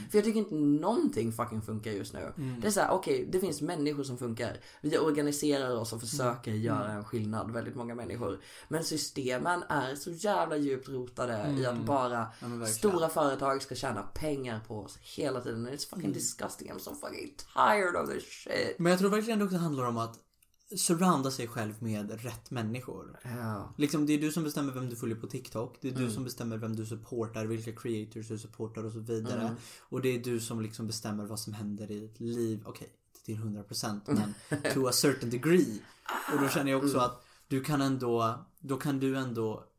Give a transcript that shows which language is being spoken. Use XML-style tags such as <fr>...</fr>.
<sv>För jag tycker inte någonting fucking funkar just nu. Det är så här, okej, det finns människor som funkar. Vi organiserar oss och försöker göra en skillnad, väldigt många människor. Men systemen är så jävla djupt rotade i att bara stora företag ska tjäna pengar på oss hela tiden.</sv> <en>It's fucking disgusting. I'm so fucking tired of this shit.</en> <sv>Men jag tror verkligen det också handlar om att surrounda sig själv med rätt människor. Liksom det är du som bestämmer vem du följer på TikTok. Det är du som bestämmer vem du supportar, vilka creators du supportar och så vidare. Och det är du som liksom bestämmer vad som händer i ditt liv. Okej, inte till 100%, men</sv> <en>to a certain degree.</en> <sv>Och då känner jag också att du kan ändå</sv>